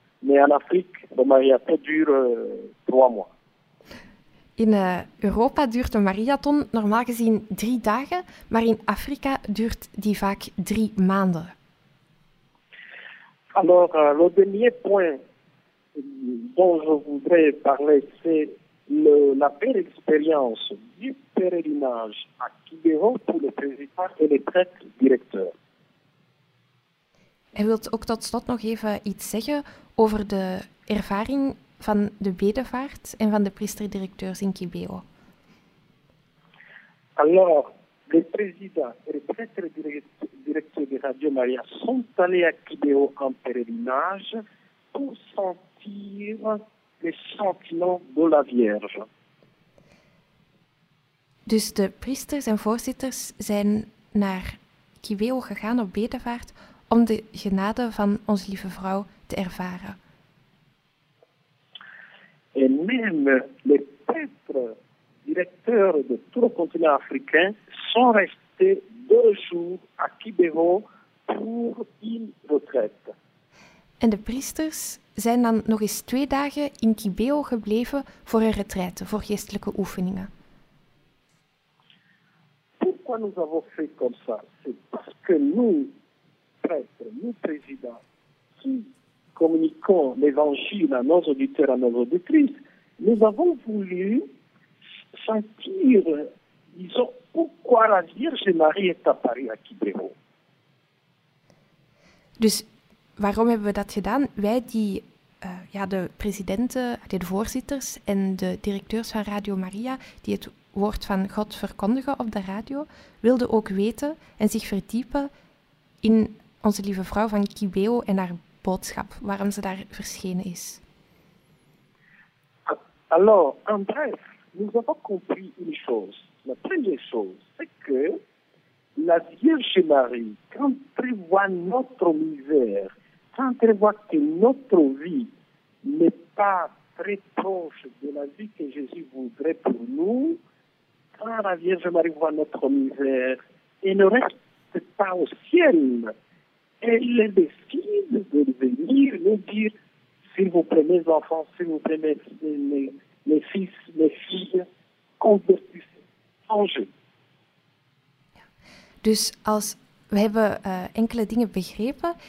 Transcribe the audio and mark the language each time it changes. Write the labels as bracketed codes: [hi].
[nl] Maar in Afrika, de marathon duurt 3 mois. In Europa duurt een marathon normaal gezien 3 dagen, maar in Afrika duurt die vaak 3 maanden. [fr] Alors, le dernier point dont je voudrais parler, c'est la belle expérience du pèlerinage à Kibero pour le président et les prêtres directeurs. [nl] Hij wilt ook tot slot nog even iets zeggen over de ervaring van de bedevaart en van de priesterdirecteurs in Kibeo. [fr] Alors, le président et le prêtre directeur de Radio Maria sont allés à Kibeo en pèlerinage pour sentir les sentiments de la Vierge. [nl] Dus de priesters en voorzitters zijn naar Kibeo gegaan op bedevaart om de genade van Onze Lieve Vrouw te ervaren. [fr] Et même les prêtres directeurs de tout le continent africain sont restés 2 jours à Kibeho pour une retraite. [nl] En de priesters zijn dan nog eens 2 dagen in Kibeho gebleven voor een retraite, voor geestelijke oefeningen. [fr] Pourquoi nous avons fait comme ça? C'est parce que nous, prêtres, nous, présidents, qui communiquons l'évangile à nos auditeurs, à nos auditrices, nous avons voulu sentir, disons, pourquoi la Vierge Marie est apparue à Kibeho. [nl] Dus waarom hebben we dat gedaan? Wij, die de presidenten, de voorzitters en de directeurs van Radio Maria, die het woord van God verkondigen op de radio, wilden ook weten en zich verdiepen in Onze Lieve Vrouw van Kibeho en haar boodschap, waarom ze daar verschenen is. [fr] Alors, en bref, nous avons compris une chose. La première chose, c'est que la Vierge Marie, quand prévoit notre misère, quand prévoit que notre vie n'est pas très proche de la vie que Jésus voudrait pour nous, quand la Vierge Marie voit notre misère et ne reste pas au ciel, elle décide de venir nous dire, s'il vous plaît, mes enfants, s'il vous plaît, mes fils, mes filles, convertissez-vous, changez. [nl] Dus als we hebben enkele dingen begrepen.